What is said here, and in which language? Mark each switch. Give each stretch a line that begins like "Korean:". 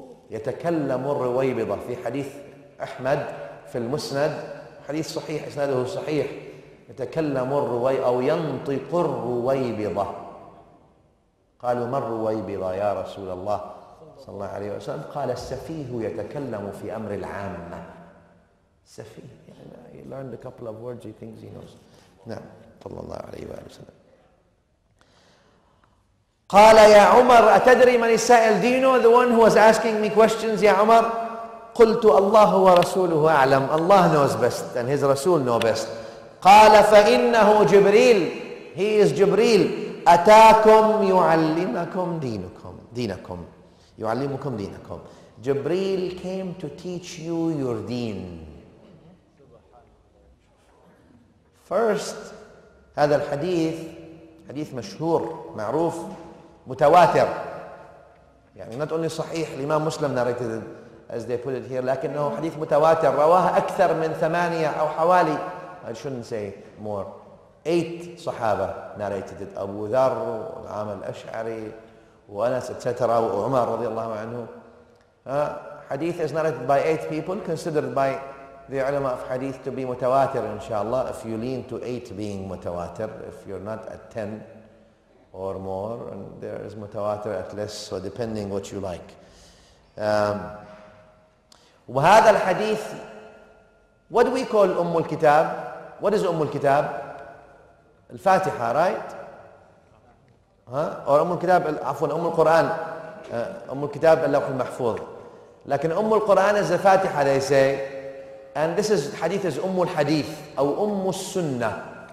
Arabic: يتكلم الرويبضة في حديث أحمد في المسند, حديث صحيح إسناده صحيح. يتكلم الرويبضة أو ينطق الرويبضة. قالوا ما الرويبضة يا رسول الله صلى الله عليه وسلم؟ قال السفيه يتكلم في أمر العامة. سفيه, يعني
English: he learned a couple of words, he thinks he knows.
Arabic: نعم, صلى الله عليه وسلم. قال يا عمر أتدري من السائل؟
English: Do you know the one who was asking me questions,
Arabic: يا عمر؟ قلت الله ورسوله أعلم.
English: Allah knows best and his رسول knows best.
Arabic: قال فإنه جبريل.
English: He is
Arabic: جبريل. أتاكم يعلمكم دينكم. دينكم. يعلمكم دينكم.
English: جبريل came to teach you your deen.
Arabic: First, هذا الحديث حديث مشهور معروف متواتر, يعني
English: not only
Arabic: صحيح, الإمام مسلم
English: narrated it as they put it here,
Arabic: لكنه حديث متواتر رواه أكثر من ثمانية أو حوالي,
English: I shouldn't say more,
Arabic: 8 صحابة
English: narrated it,
Arabic: أبو ذر وعامر الأشعري وأنس etc. وعمر رضي الله عنه.
English: حديث is narrated by 8 people, considered by the علماء of حديث to be متواتر
Arabic: إن شاء الله,
English: if you lean to 8 being متواتر, if you're not at 10 or more, and there is mutawatir at less, so depending what you like.
Arabic: وهذا الحديث,
English: what do we call أم الكتاب? What is أم الكتاب? الفاتحة, right?
Arabic: Or أم الكتاب, عفوا, أم القرآن. أم الكتاب اللوح المحفوظ. لكن أم القرآن
English: is the فاتحة, they say. And this is
Arabic: حديث is أم الحديث, أو أم السنة.